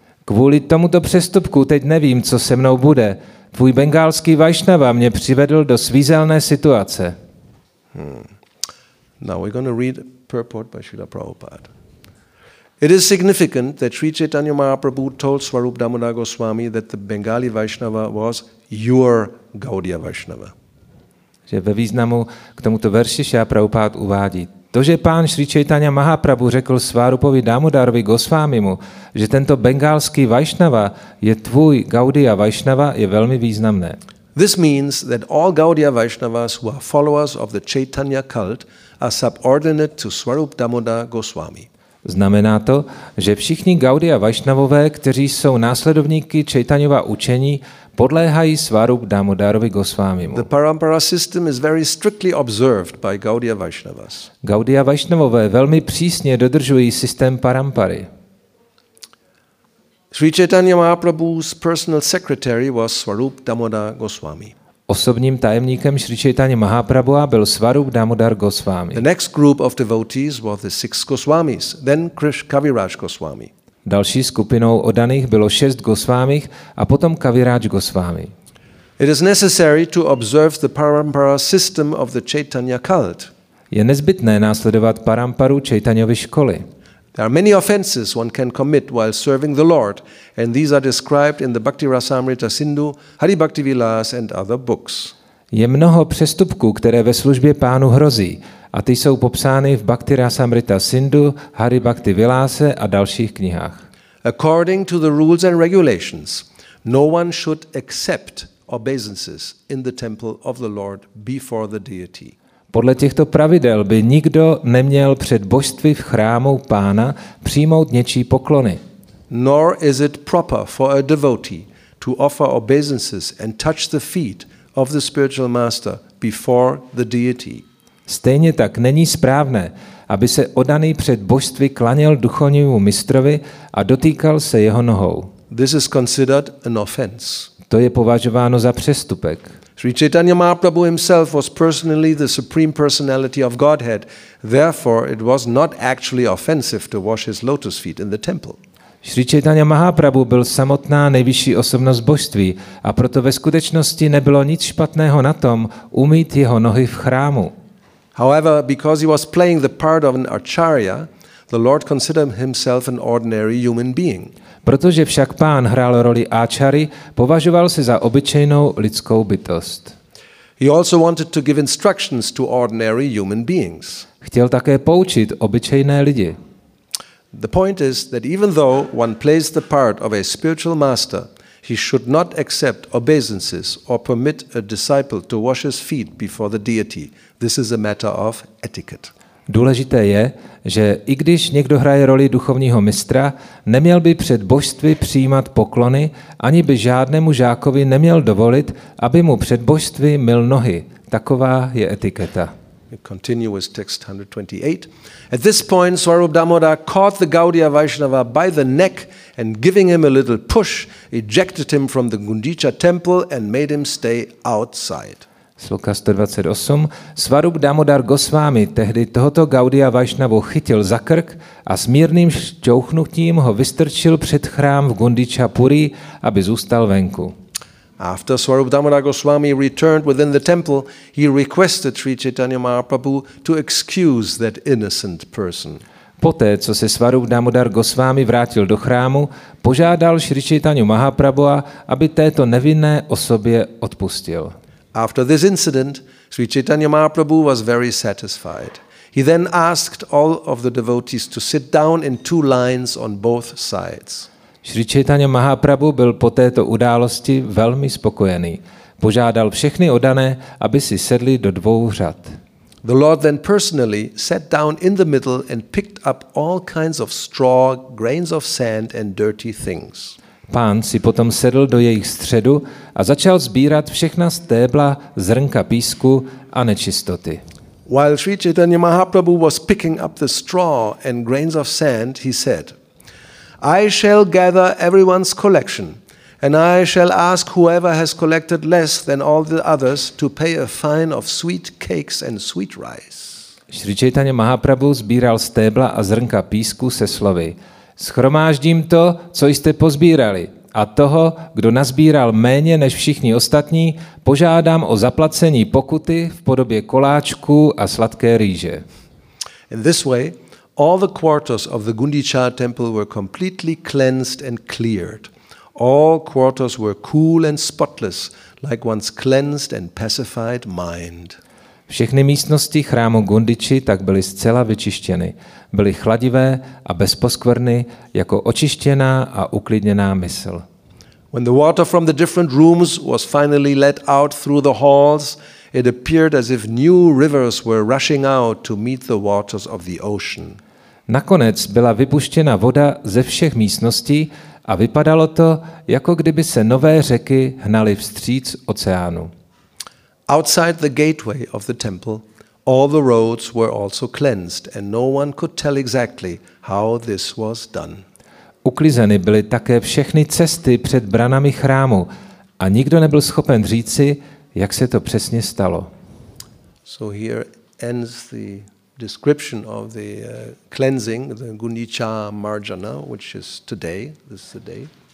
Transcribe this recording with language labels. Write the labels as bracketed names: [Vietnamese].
[Czech] Kvůli tomuto přestupku teď nevím, co se mnou bude. Tvůj bengálský Vaishnava mě přivedl do svízelné situace. [English] Now we're going to read a purport by Srila Prabhupada. It is significant that Sri Chaitanya Mahaprabhu told Swarup Damodar Goswami that the Bengali Vaishnava was your Gaudiya Vaishnava. [Czech] Že ve významu k tomuto verši Srila Prabhupada uvádí. To, že pán Sri Chaitanya Mahaprabhu řekl Svarupovi Damodarovi Gosvámimu, že tento bengálský Vaishnava je tvůj Gaudiya Vaishnava, je velmi významné. [English] This means that all Gaudiya Vaishnavas who are followers of the Chaitanya cult are subordinate to Swarup Damodar Goswami. [Czech] Znamená to, že všichni Gaudiya Vaishnavové, kteří jsou následovníky Chaitanyova učení, podléhají Swarup Damodarovi Gosvámimu. [English] The parampara system is very strictly observed by Gaudiya Vaishnavas. [Czech] Gaudiya Vaishnavové velmi přísně dodržují systém parampary. [English] Sri Chaitanya Mahaprabhu's personal secretary was Swarup Damodar Goswami. [Czech] Osobním tajemníkem Sri Chaitanya Mahaprabhu byl Swarup Damodar Goswami. [English] The next group of devotees were the six Goswamis, then Kaviraj Goswami. [Czech] Další skupinou oddaných bylo šest Gosvámich a potom Kaviraj Goswami. [English] It is necessary to observe the parampara system of the Chaitanya cult. [Czech] Je nezbytné následovat paramparu Chaitanyovy školy. [English] There are many offenses one can commit while serving the Lord, and these are described in the Bhakti Rasamrita Sindhu, Hari Bhakti Vilas and other books. [Czech] Je mnoho přestupků, které ve službě pánu hrozí, a ty jsou popsány v Bhakti Rasamrita Sindhu, Hari Bhakti Vilase a dalších knihách. [English] According to the rules and regulations, no one should accept obeisances in the temple of the Lord before the deity. [Czech] Podle těchto pravidel by nikdo neměl před božství v chrámu pána přijmout něčí poklony. [English] Nor is it proper for a devotee to offer obeisances and touch the feet of the spiritual master before the deity. [Czech] Stejně tak není správné, aby se oddaný před božství klaněl duchovnímu mistrovi a dotýkal se jeho nohou. [English] This is considered an offense. [Czech] To je považováno za přestupek. [English] Sri Chaitanya Mahaprabhu himself was personally the supreme personality of Godhead. Therefore, it was not actually offensive to wash his lotus feet in the temple. [Czech] Sri Chaitanya Mahaprabhu byl samotná nejvyšší osobnost božství a proto ve skutečnosti nebylo nic špatného na tom umýt jeho nohy v chrámu. [English] However, because he was playing the part of an acharya, the Lord considered himself an ordinary human being. [Czech] Protože však pán hrál roli áčary, považoval se za obyčejnou lidskou bytost. [English] He also wanted to give instructions to ordinary human beings. [Czech] Chtěl také poučit obyčejné lidi. [English] The point is that even though one plays the part of a spiritual master, he should not accept obeisances or permit a disciple to wash his feet before the deity. This is a matter of etiquette. [Czech] Důležité je, že i když někdo hraje roli duchovního mistra, neměl by před božství přijímat poklony, ani by žádnému žákovi neměl dovolit, aby mu před božství myl nohy. Taková je etiketa. [English] Continue with text 128. At this point, Swarup Damodar caught the Gaudiya Vaishnava by the neck and giving him a little push, ejected him from the Gundicha temple and made him stay outside. [Czech] Sloka 128. Svarup Damodar Gosvámy tehdy tohoto Gaudia Vaishnavu chytil za krk a s mírným šťouchnutím ho vystrčil před chrám v Gundicha Puri, aby zůstal venku. [English] After Swarup Damodar Goswami returned within the temple, he requested Sri Chaitanya Mahaprabhu to excuse that innocent person. [Czech] Poté, co se Swarup Damodar Goswami vrátil do chrámu, požádal Sri Chaitanya Mahaprabhu, aby této nevinné osobě odpustil. [English] After this incident, Sri Chaitanya Mahaprabhu was very satisfied. He then asked all of the devotees to sit down in two lines on both sides. [Czech] Sri Chaitanya Mahaprabhu byl po této události velmi spokojený. Požádal všechny oddané, aby si sedli do dvou řad. [English] The Lord then personally sat down in the middle and picked up all kinds of straw, grains of sand and dirty things. [Czech] Pán si potom sedl do jejich středu a začal sbírat všechna stébla, zrnka písku a nečistoty. [English] While Sri Chaitanya Mahaprabhu was picking up the straw and grains of sand, he said, I shall gather everyone's collection, and I shall ask whoever has collected less than all the others to pay a fine of sweet cakes and sweet rice. [Czech] Sri Chaitanya Mahaprabhu sbíral stébla a zrnka písku se slovy, Shromáždím to, co jste pozbírali, a toho, kdo nazbíral méně než všichni ostatní, požádám o zaplacení pokuty v podobě koláčků a sladké rýže. [English] In this way, all the quarters of the Gundicha temple were completely cleansed and cleared. All quarters were cool and spotless, like one's cleansed and pacified mind. [Czech] Všechny místnosti chrámu Gundichi tak byly zcela vyčištěny. Byly chladivé a bez poskvrny, jako očištěná a uklidněná mysl. [English] When the water from the different rooms was finally let out through the halls, it appeared as if new rivers were rushing out to meet the waters of the ocean. [Czech] Nakonec byla vypuštěna voda ze všech místností a vypadalo to, jako kdyby se nové řeky hnaly vstříc oceánu. [English] Outside the gateway of the temple, all the roads were also cleansed and no one could tell exactly how this was done. [Czech] Uklizeny byly také všechny cesty před branami chrámu a nikdo nebyl schopen říci, jak se to přesně stalo. [English] So here ends the description of the cleansing, the Gundicha Marjana, which is today, this is the day.